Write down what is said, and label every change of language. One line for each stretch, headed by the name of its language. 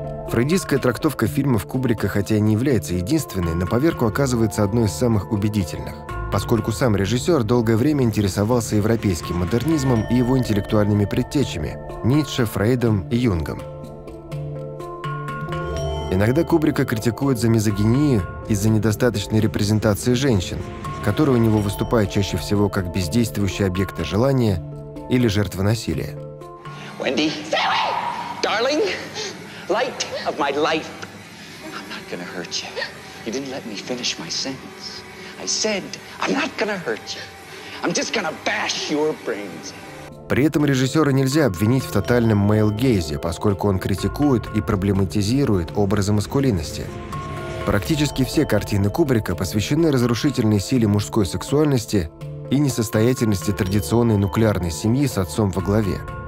Russian: Фрейдистская трактовка фильмов Кубрика, хотя и не является единственной, на поверку оказывается одной из самых убедительных, поскольку сам режиссер долгое время интересовался европейским модернизмом и его интеллектуальными предтечами – Ницше, Фрейдом и Юнгом. Иногда Кубрика критикуют за мизогинию из-за недостаточной репрезентации женщин, которые у него выступают чаще всего как бездействующие объекты желания или жертвы насилия.
English: Wendy, Sally, darling, light of my life. I'm not gonna hurt you. You didn't let me finish my sentence. I said, I'm not gonna hurt you. I'm just gonna bash your brains.
Russian: При этом режиссера нельзя обвинить в тотальном мейл-гейзе, поскольку он критикует и проблематизирует образы маскулинности. Практически все картины Кубрика посвящены разрушительной силе мужской сексуальности и несостоятельности традиционной нуклеарной семьи с отцом во главе.